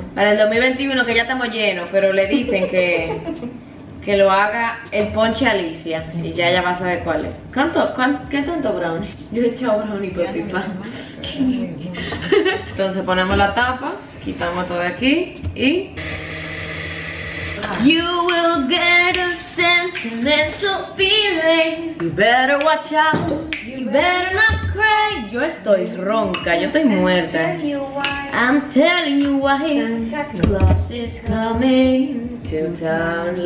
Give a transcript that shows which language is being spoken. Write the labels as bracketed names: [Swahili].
[Spanish] Para el 2021, que ya estamos llenos, pero le dicen que que lo haga el ponche Alicia. Y ya ella va a saber cuál es. ¿Qué tanto brownie? Yo he echado brownie por pipa. Entonces ponemos la tapa, quitamos todo de aquí y [English] You will get a sentimental feeling. You better watch out. You better not cry. [Spanish] Yo estoy ronca, yo estoy muerta. [English] I'm telling you why. Santa Claus is coming to town.